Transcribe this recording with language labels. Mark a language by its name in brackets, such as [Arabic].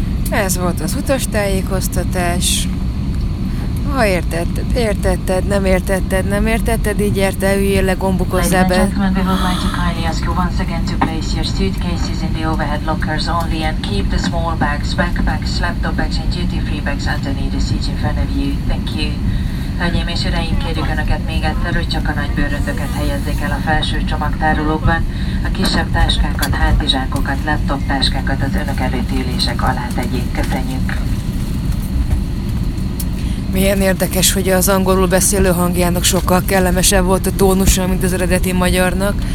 [Hungarian] Ez volt az utastájékoztatás. Ha értetted, értetted, nem értetted, nem értetted, így érte, üljél le, gombuk hozzá be. [English] Ladies and gentlemen, we would like to kindly ask you once again to place your suitcases in the overhead lockers only and keep the small bags, backpacks, laptop bags and duty free bags underneath the seat in front of you. Thank you. [Hungarian] Hölgyeim és uraim, kérjük Önöket még egyszer, hogy csak a nagy bőröndöket helyezzék el a felső csomagtárolókban, a kisebb táskákat, hátizsákokat, laptop táskákat az Önök előtti ülések alá tegyék. Köszönjük! Milyen érdekes, hogy az angolul beszélő hangjának sokkal kellemesebb volt a tónusa, mint az eredeti magyarnak.